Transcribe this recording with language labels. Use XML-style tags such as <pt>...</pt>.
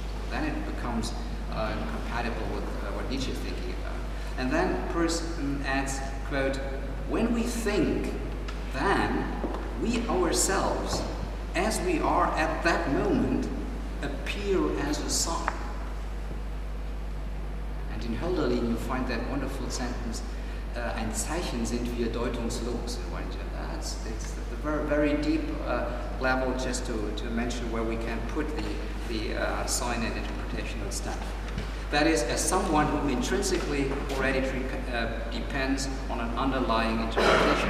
<en>Then it becomes compatible with what Nietzsche is thinking. And then Peirce adds, quote, when we think, then we ourselves, as we are at that moment, appear as a sign. And in Hölderlin, you find that wonderful sentence,</en> <de>ein Zeichen sind wir deutungslos.</de> <en>It's the very, very deep level, just to mention where we can put the sign and interpretational stuff. That is, as someone who intrinsically already depends on an underlying interpretation.</en>